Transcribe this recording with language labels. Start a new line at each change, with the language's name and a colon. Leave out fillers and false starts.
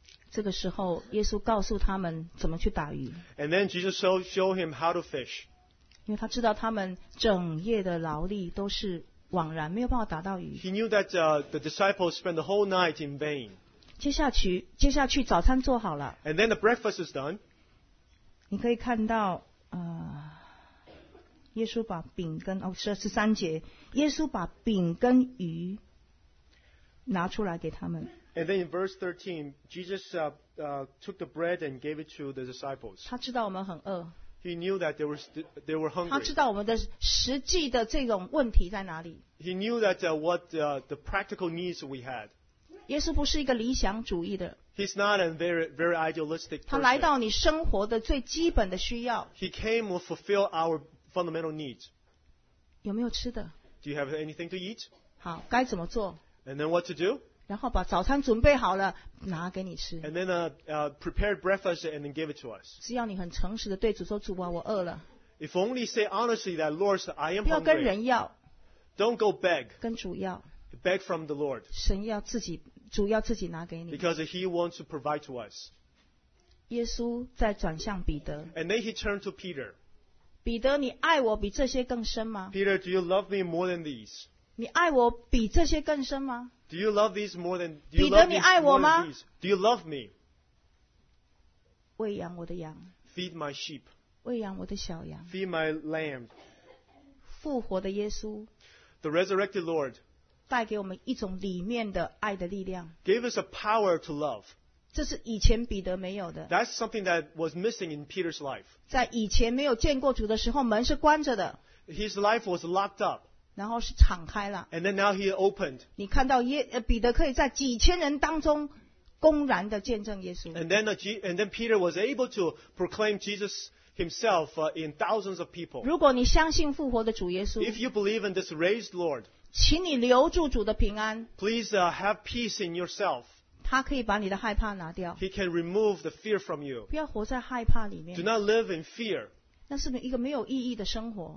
Chinese: 这个时候，耶稣告诉他们怎么去打鱼
English: And then Jesus showed him how to fish.
Chinese: 因为他知道他们整夜的劳力都是枉然没有办法打到鱼。
English: He knew that the disciples spent the whole night in vain.
Chinese: 接下去早餐做好了。
English: And then the breakfast is done.
Chinese: 你可以看到、耶稣把饼跟哦是十三节，耶稣把饼跟鱼拿出来给他们。
English: And then in verse 13, Jesus took the bread and gave it to the disciples.
Chinese: 他知道我们很饿。
English: He knew that they were hungry.
Chinese: 他知道我们的实际的这种问题在哪里。
English: He knew that what the practical needs we had.
Chinese: 耶稣不是一个理想主义的。
English: He's not a very, very idealistic person.
Chinese: 他来到你生活的最基本的需要。
English: He came to fulfill our fundamental needs.
Chinese: 有没有吃的
English: ？Do you have anything to eat?
Chinese: 好，该怎么做
English: ？And then what to do?
Chinese: 然后把早餐准备好了，拿给你吃。
English: And then prepared breakfast and then give it to us.
Chinese: 只要你很诚实的对主说主啊，我饿了。
English: If only say honestly that Lord, I am hungry.
Chinese: 不要跟人要。
English: Don't go beg.
Chinese: 跟主要。
English: Beg from the Lord.
Chinese: 神要自己主要自己拿给你。
English: Because he wants to provide to us.
Chinese: 耶稣在转向彼得。
English: And then he turned to Peter.
Chinese: 彼得，你爱我比这些更深吗？
English: Peter, do you love me more than these?
Chinese: 你爱我比这些更深吗？
English: Do you love these more than these?
Chinese: 彼得，你爱我吗？
English: Do you love me?
Chinese: 喂养我的羊。
English: Feed my sheep.
Chinese: 喂养我的小羊。
English: Feed my lamb.
Chinese: 复活的耶稣。
English: The resurrected Lord.
Chinese: 带给我们一种里面的爱的力量。
English: Give us a power to love.
Chinese: 这是以前彼得没有的。
English: That's something that was missing in Peter's life.
Chinese: 在以前没有见过主的时候，门是关着的。
English: His life was locked up.
Chinese: 然后是敞开了。
English: And then now he opened.
Chinese: 你看到彼得可以在几千人当中公然的见证耶稣。
English: And then Peter was able to proclaim Jesus. Himself in thousands of people.
Chinese: 如果你相信复活的主耶稣，
English: If you believe in this raised Lord,
Chinese: 请你留住主的平安。
English: Please have peace in yourself.
Chinese: 他可以把你的害怕拿掉。
English: He can remove the fear from you.
Chinese: 不要活在害怕里面。
English: Do not live in fear.
Chinese: 那是一个没有意义的生活。